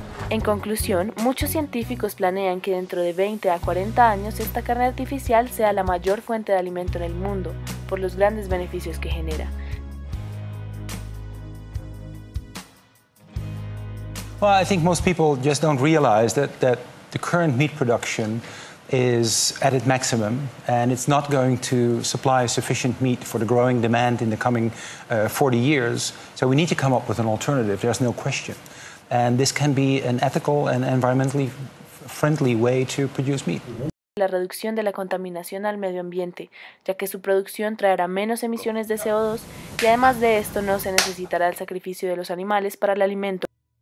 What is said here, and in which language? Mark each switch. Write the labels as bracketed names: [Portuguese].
[Spanish] En conclusión, muchos científicos planean que dentro de 20 a 40 años esta carne artificial sea la mayor fuente de alimento en el mundo por los grandes beneficios que genera. [English] Well, I think most people just don't realize that the current meat production is at its maximum and it's not going to supply sufficient meat for the growing demand in the coming 40 years. So we need to come up with an alternative, there's no question. And this can be an ethical and environmentally friendly way to produce meat. [Spanish] La reducción de la contaminación al medio ambiente, ya que su producción traerá menos emisiones de CO2 y además de esto no se necesitará el sacrificio de los animales para el alimento.